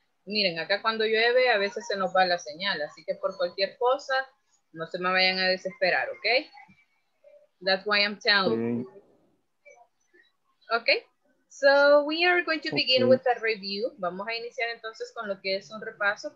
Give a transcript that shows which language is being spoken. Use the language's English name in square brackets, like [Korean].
[Spanish] Miren, acá cuando llueve, a veces se nos va la señal, así que por cualquier cosa, no se me vayan a desesperar, okay? [English] That's why I'm telling you. Okay, so we are going to begin with a review. [Spanish] Vamos a iniciar entonces con lo que es un repaso.